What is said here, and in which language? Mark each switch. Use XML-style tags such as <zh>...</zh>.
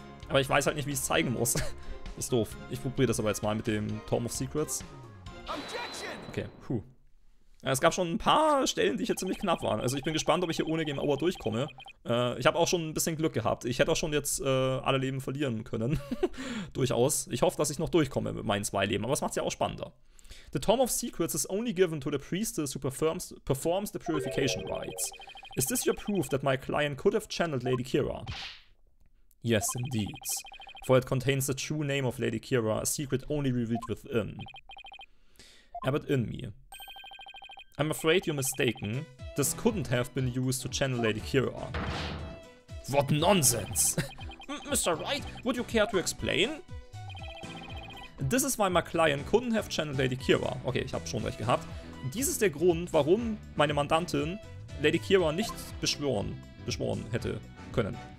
<de>Aber ich weiß halt nicht, wie ich es zeigen muss. Ist doof. Ich probiere das aber jetzt mal mit dem Tome of Secrets. Okay, puh. Es gab schon ein paar Stellen, die hier ziemlich knapp waren. Also ich bin gespannt, ob ich hier ohne Game Over durchkomme. Ich habe auch schon ein bisschen Glück gehabt. Ich hätte auch schon jetzt alle Leben verlieren können. Durchaus. Ich hoffe, dass ich noch durchkomme mit meinen zwei Leben. Aber es macht es ja auch spannender.</de> <en>The Tome of Secrets is only given to the priestess who performs the purification rites. Is this your proof that my client could have channeled Lady Kira? Yes, indeed. For it contains the true name of Lady Kira, a secret only revealed within. Abbot Inmi. I'm afraid you're mistaken. This couldn't have been used to channel Lady Kira. What nonsense! Mr. Wright, would you care to explain? This is why my client couldn't have channeled Lady Kira.</en> <de>Okay, ich habe schon recht gehabt. Dies ist der Grund, warum meine Mandantin Lady Kira nicht beschworen hätte können.</de>